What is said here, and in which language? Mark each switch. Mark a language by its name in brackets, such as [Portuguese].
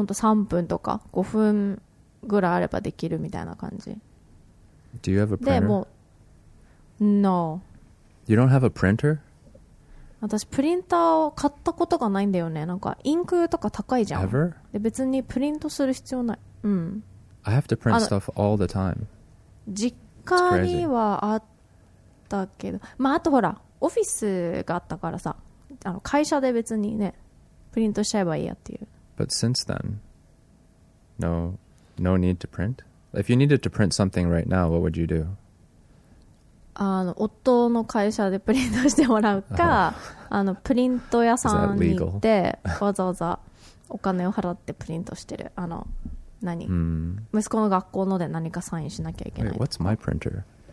[Japanese] 本当3分とか5分ぐらいあればできるみたいな感じ。 [English] Do you have a printer? [Japanese] でも No。 [English] You don't have a printer? [Japanese] 私プリンターを買ったことがないんだよね。なんかインクとか高いじゃん。 [English] Ever? [Japanese] で別にプリントする必要ない。 [English] I have to print stuff all the time. [Japanese] 実家にはあったけど、まああとほらオフィスがあったからさ、あの会社で別にねプリントしちゃえばいいやっていう。 [English] But since then, no need to print? If you needed to print something right now, what would you do? [Japanese] あの夫の会社でプリントしてもらうか、あのプリント屋さんに行ってわざわざお金を払ってプリントしてる、あの何、息子の学校ので何かサインしなきゃいけない。 [English] Wait, What's my printer?